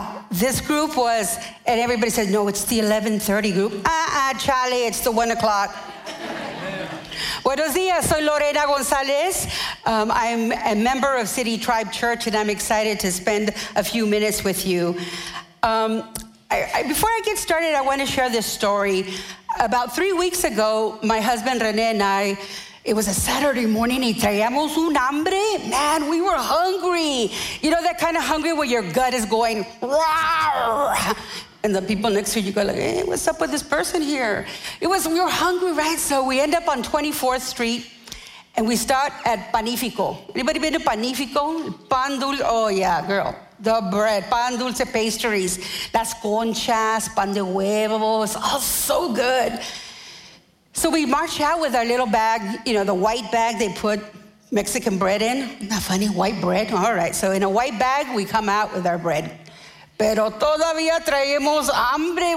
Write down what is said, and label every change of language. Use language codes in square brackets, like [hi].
[en] This group was, and everybody said, no, it's the 11:30 group. Charlie, it's the 1 o'clock. [es] Buenos días, soy Lorena Gonzalez. [en] I'm a member of City Tribe Church, and I'm excited to spend a few minutes with you. Before I get started, I want to share this story. About 3 weeks ago, my husband René and I, it was a Saturday morning, [es] y traíamos un hambre. [en] Man, we were hungry. You know that kind of hungry where your gut is going, rawr! And the people next to you go like, hey, what's up with this person here? We were hungry, right? So we end up on 24th Street and we start at Panifico. Anybody been to Panifico? Pan dulce, oh yeah, girl. The bread, pan dulce pastries. [es] Las conchas, pan de huevos, [en] all so good. So we march out with our little bag, you know, the white bag they put Mexican bread in. Isn't that funny, white bread? All right, so in a white bag, we come out with our bread. [es] Pero todavía traemos hambre.